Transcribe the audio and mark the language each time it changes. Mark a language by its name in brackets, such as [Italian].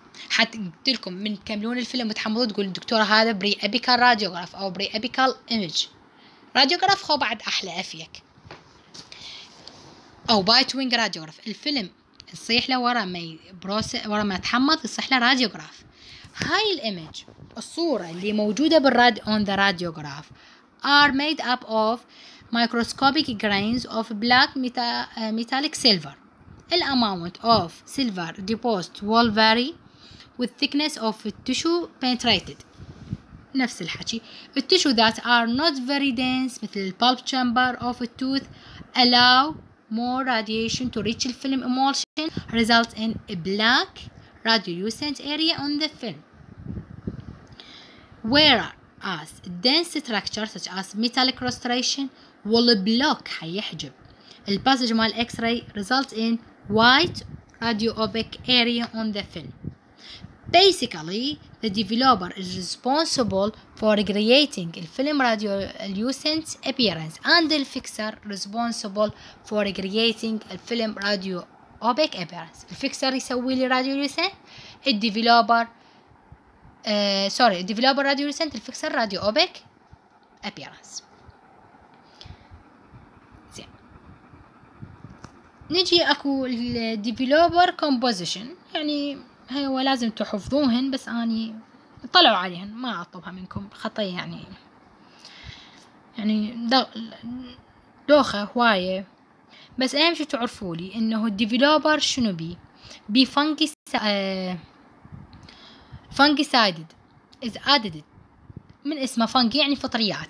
[Arabic] حتى قلت لكم من تكملون الفيلم وتحمضوا تقول الدكتورة هذا بري أبيكال راديوغراف أو بري أبيكال إيمج. راديوغراف خو بعد أحلى أفيك، أو بايت وينج راديوغراف. الفيلم يصيح له ورا ما ورا ما تحمض يصيح له راديوغراف. هاي الإيمج الصورة اللي موجودة بالراد [English] On the radiograph are made up of microscopic grains of black metallic silver. The amount of silver deposited will vary with thickness of tissue penetrated. [Arabic] نفس الحكي. [English] The tissue that are not very dense مثل the pulp chamber of a tooth allow more radiation to reach the film emulsion, result in a black radiolucent area on the film. Where as dense structure such as metallic crustation will block [Arabic] حيحجب الباسج مال اكس راي [English] result in white radiopaque area on the film. Basically the developer is responsible for creating the film radiolucent appearance and the fixer responsible for creating the film radiopaque appearance. [Arabic] الفيكسر يسوي لي radiolucent، الديفلوبر سوري ديفلوبر راديو ريسنت، الفيكسر راديو اوبك ابييرنس. نجي اكو الديفلوبر كومبوزيشن، يعني هي هو لازم تحفظوهن بس اني طلعوا عليهن ما اطلبها منكم خطي، يعني دوخه هوايه، بس اهم شي تعرفولي انه الديفلوبر شنو بي بفانكي فانجيسايد از ادد، من اسمه فانجي يعني فطريات.